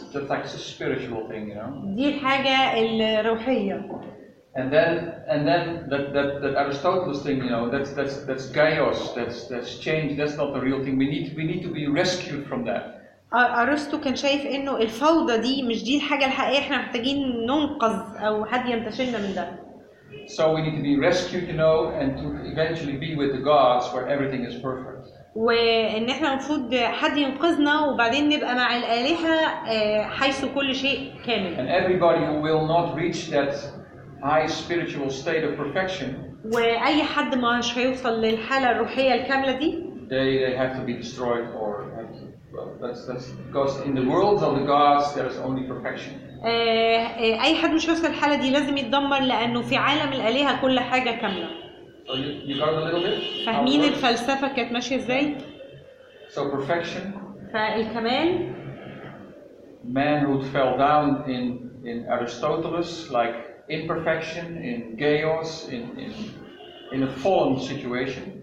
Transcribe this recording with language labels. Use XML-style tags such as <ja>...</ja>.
<en>That's the spiritual thing, you know.</en> <ar>دي الحاجة الروحية.</ar> <en>And then that Aristotle's thing, you know, that's chaos, that's change, that's not the real thing. We need to be rescued from that.</en> <ar>أرسطو كان شايف إنه الفوضى دي مش دي الحاجة الحقيقية، إحنا محتاجين ننقذ أو حد ينتشلنا من ده.</ar> <en>So we need to be rescued, you know, and to eventually be with the gods where everything is perfect.</en> <ar>وإن إحنا المفروض حد ينقذنا وبعدين نبقى مع الآلهة حيث كل شيء كامل.</ar> <en>And everybody who will not reach that high spiritual state of perfection.</en> <ar>وأي حد ما مش هيوصل للحالة الروحية الكاملة دي.</ar> <en>They have to be destroyed or have to, well, that's because in the worlds of the gods there is only perfection.</en> <ar>أي حد مش هيوصل للحالة دي لازم يتدمر لأنه في عالم الآلهة كل حاجة كاملة.</ar> <en>So you got a little bit.</en> <ar>فاهمين الفلسفة كانت ماشية إزاي؟</ar> <en>So perfection.</en> <ar>فالكمال.</ar> <en>Manhood fell down in Aristoteles, like imperfection, in chaos, in a fallen situation.</en>